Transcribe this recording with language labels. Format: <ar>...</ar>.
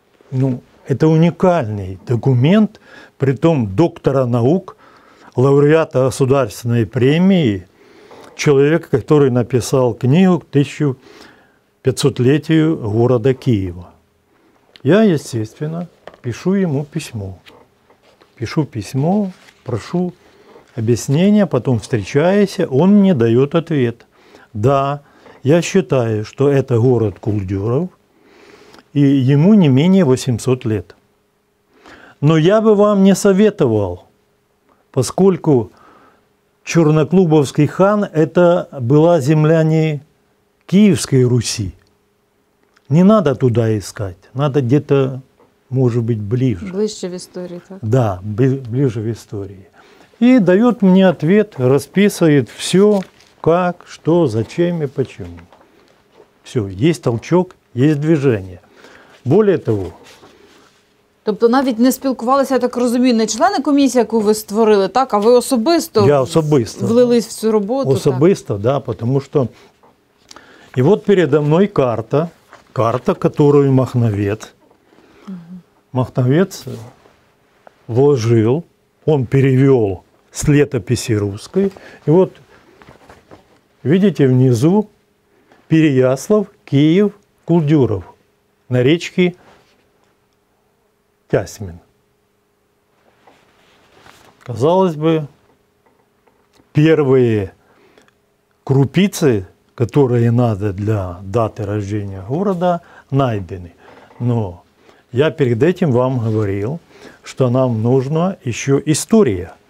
<uk>Ну, це унікальний документ, при тому доктора наук, лауреата государственної премії, чоловік, який написав книгу «1500-летию города Києва».</uk> <ru>Я, естественно, пишу йому письмо. Пишу письмо, прошу объяснения, потом встречаюсь, он мне дает ответ. Да, я считаю, что это город Кульдюров, и ему не менее 800 лет. Но я бы вам не советовал, поскольку Чорноклубовський хан – это была земля не Киевской Руси. Не надо туда искать, надо где-то, может быть, ближе. Ближе в истории, так? Да, ближе в истории. И дает мне ответ, расписывает все, как, что, зачем и почему. Все, есть толчок, есть движение. Более того...</ru> <uk>Тобто навіть не спілкувалися, я так розумію, не члени комісії, яку ви створили, так? А ви особисто, я особисто влились в цю роботу? Особисто, так. Да, тому що... І от передо мною карта, карта, яку махновець вложив,</uk> <ru>он перевел</ru> <uk>з літописи русской. І от,</uk> <ru>видите,</ru> <uk>внизу Переяслав, Київ, Кульдюров, на річці Тясмин.</uk> <ru>Казалось бы, первые крупицы, которые надо для даты рождения города, найдены. Но я перед этим вам говорил, что нам нужна еще история.</ru>